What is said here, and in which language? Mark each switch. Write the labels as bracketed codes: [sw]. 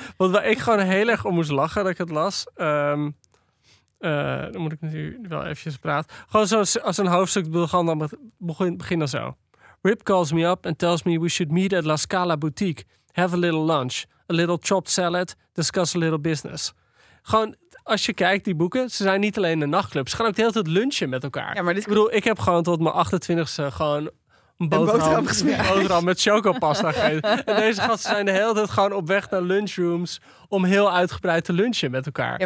[nl] Wat waar ik gewoon heel erg om moest lachen dat ik het las. Dan moet ik natuurlijk wel eventjes praten. Gewoon zo als een hoofdstuk begon, dan begin dan zo. [en] Rip calls me up and tells me we should meet at La Scala Boutique. Have a little lunch. A little chopped salad. Discuss a little business. [nl] Gewoon, als je kijkt, die boeken, ze zijn niet alleen een nachtclub. Ze gaan ook de hele tijd lunchen met elkaar. Ja, maar ik heb gewoon tot mijn 28e gewoon een boterham met chocopasta gegeven. En deze gasten zijn de hele tijd gewoon op weg naar lunchrooms om heel uitgebreid te lunchen met elkaar.